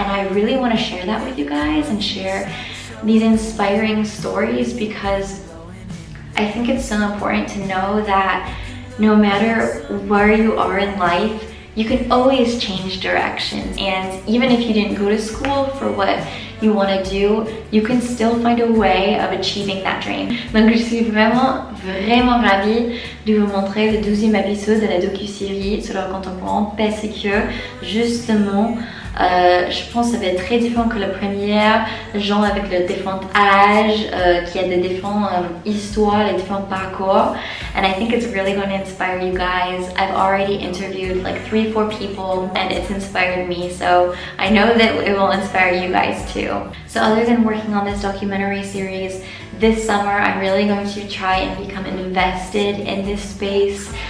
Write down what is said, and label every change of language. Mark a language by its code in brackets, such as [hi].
[en] And I really want to share that with you guys and share these inspiring stories, because I think it's so important to know that no matter where you are in life, you can always change directions. And even if you didn't go to school for what you want to do, you can still find a way of achieving that dream. [fr] Donc je suis vraiment, vraiment ravie de vous montrer le 12e épisode de la docu-série sur l'art contemporain, parce que justement, je pense que ça va être très différent que la première. Gens avec le différent âge, qui a des différentes histoires, les différents parcours. [en] And I think it's really going to inspire you guys. I've already interviewed like 3-4 people and it's inspired me. So I know that it will inspire you guys too. So other than working on this documentary series, this summer I'm really going to try and become invested in this space.